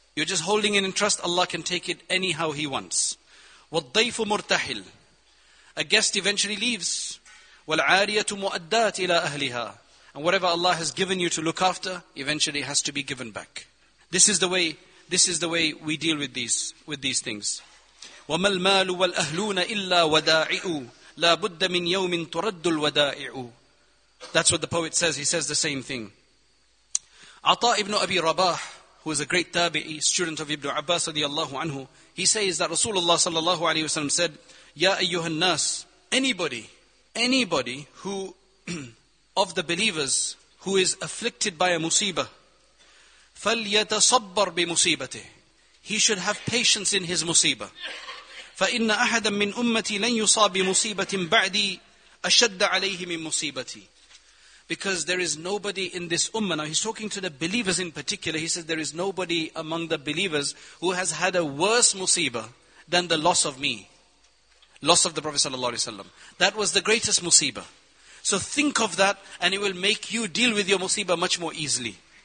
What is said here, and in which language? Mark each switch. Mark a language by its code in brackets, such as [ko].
[en] You're just holding it in trust. Allah can take it anyhow He wants. [ar] وَالضَّيْفُ مُرْتَحِلٌ [en] A guest eventually leaves. [ar] وَالْعَارِيَةُ مُؤَدَّاتِ إِلَىٰ أَهْلِهَا [en] And whatever Allah has given you to look after, eventually has to be given back. This is the way we deal with these things. [ar] وَمَا الْمَالُ وَالْأَهْلُونَ إِلَّا وَدَاعِئُ لَا بُدَّ مِنْ يَوْمٍ تُرَدُّ الْوَدَاعِئُ [en] That's what the poet says. He says the same thing. Ata ibn Abi Rabah, who is a great tabi'i, student of Ibn Abbas radiallahu anhu, he says that Rasulullah sallallahu alayhi wa sallam said, [ar] يَا أَيُّهَا النَّاسُ [en] Anybody who, of the believers, who is afflicted by a musibah, [ar] فَلْيَتَصَبَّرْ بِمُسِيبَتِهِ [en] He should have patience in his musibah. [ar] فَإِنَّ أَحَدًا مِّنْ أُمَّتِي لَنْ يُصَابْ بِمُصِيبَةٍ بَعْدِي أَشَدَّ عَلَيْهِ مِّنْ مُصِيبَتِي [en] Because there is nobody in this ummah. Now he's talking to the believers in particular. He says there is nobody among the believers who has had a worse musibah than the loss of me. Loss of the Prophet sallallahu alaihi wasallam. That was the greatest musibah. So think of that and it will make you deal with your musibah much more easily.